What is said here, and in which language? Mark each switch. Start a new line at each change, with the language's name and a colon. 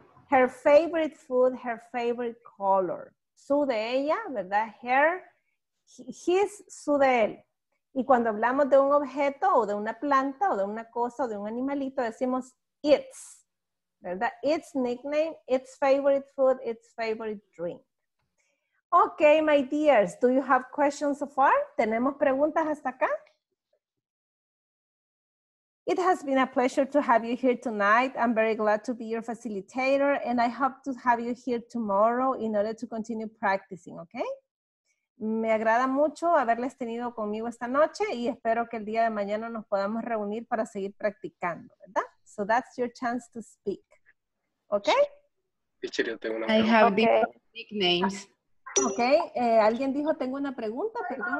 English: Her favorite food, her favorite color.
Spanish: Su de ella, ¿verdad? Her, his, su de él. Y cuando hablamos de un objeto o de una planta o de una cosa o de un animalito, decimos its, ¿verdad?
English: Its nickname, its favorite food, its favorite drink. Okay, my dears, do you have questions so far?
Spanish: ¿Tenemos preguntas hasta acá?
English: It has been a pleasure to have you here tonight. I'm very glad to be your facilitator, and I hope to have you here tomorrow in order to continue practicing, okay?
Spanish: Me agrada mucho haberles tenido conmigo esta noche, y espero que el día de mañana nos podamos reunir para seguir practicando, ¿verdad?
English: So that's your chance to speak, okay? I have different nicknames.
Spanish: Ok, alguien dijo, tengo una pregunta, perdón.